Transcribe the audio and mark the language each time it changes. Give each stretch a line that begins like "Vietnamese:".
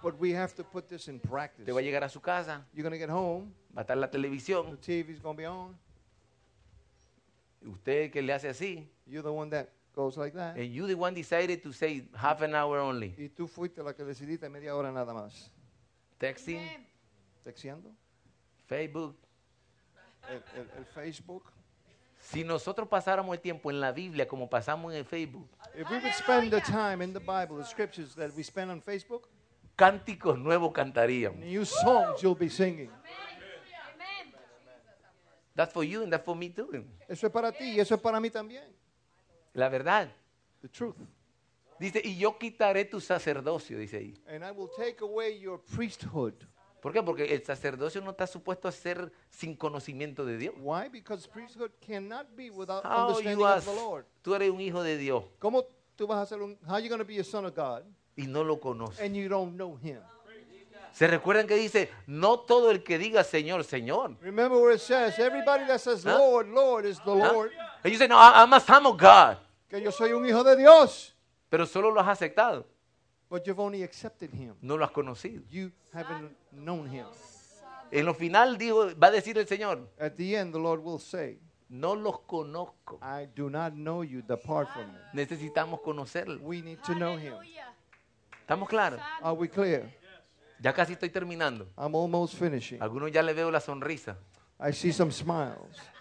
English: But we have to put this in practice.
Spanish: Te va a llegar a su casa.
English: You're going to get home.
Spanish: Va a estar la televisión.
English: The TV's going to be on.
Spanish: Usted que le hace así.
English: You're the one that goes like that. And you the one decided to say half an hour only.
Spanish: Y tú fuiste la que decidiste media hora nada más.
English: Texting.
Spanish: Texteando.
English: Facebook.
Spanish: El Facebook. Si nosotros pasáramos el tiempo en la Biblia como pasamos en el Facebook.
English: If we would spend the time in the Bible, the scriptures that we spend on Facebook.
Spanish: Cánticos nuevos cantaríamos.
English: New songs you'll be singing. Amen. That's for you and that's for me too.
Spanish: Eso es para ti y eso es para mí también. La verdad.
English: The truth.
Spanish: Dice, y yo quitaré tu sacerdocio, dice ahí.
English: And I will take away your priesthood.
Spanish: ¿Por qué? Porque el sacerdocio no está supuesto a ser sin conocimiento de Dios.
English: Why? Because priesthood cannot be without understanding of the Lord.
Spanish: Tú eres un hijo de Dios. ¿Cómo tú vas a ser
English: how are you going to be a son of God?
Spanish: Y no lo conoces.
English: And you don't know him.
Spanish: ¿Se recuerdan que dice, no todo el que diga Señor, Señor?
English: Remember where it says, everybody that says Lord, Lord is the Lord. And you say, no, I'm a son of God.
Spanish: Que yo soy un hijo de Dios. Pero solo lo has aceptado.
English: But you've only accepted him.
Spanish: No lo has conocido.
English: You haven't known him.
Spanish: En lo final dijo, va a decir el Señor.
English: At the end, the Lord will say,
Spanish: no los conozco.
English: I do not know you, depart from me.
Spanish: Necesitamos conocerlo.
English: We need to know him.
Spanish: ¿Estamos claros?
English: Are we clear?
Spanish: Ya casi estoy terminando.
English: I'm almost finishing.
Spanish: Algunos ya le veo la sonrisa.
English: I see some smiles.